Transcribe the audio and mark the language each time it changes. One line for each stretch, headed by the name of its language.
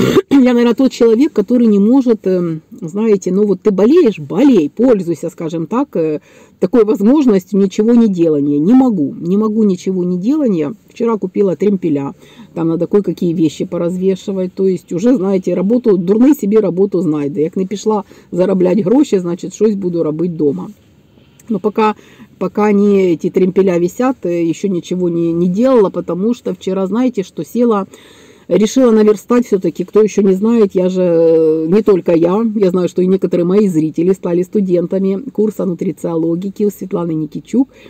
Russian: Я, наверное, тот человек, который не может, знаете, ну вот ты болеешь, болей, пользуйся, скажем так, такой возможностью ничего не делания. Не могу ничего не делания. Вчера купила тремпеля, там надо кое-какие вещи поразвешивать, то есть уже, знаете, работу, дурный себе работу знай.
Ukrainian: Да як не пішла зароблять гроші, значит, щось буду робити дома.
Russian: Но пока они, эти тремпеля висят, еще ничего не делала, потому что вчера, знаете, что села... Решила наверстать все-таки, кто еще не знает, я же не только я знаю, что и некоторые мои зрители стали студентами курса нутрициологии у Светланы Никичук.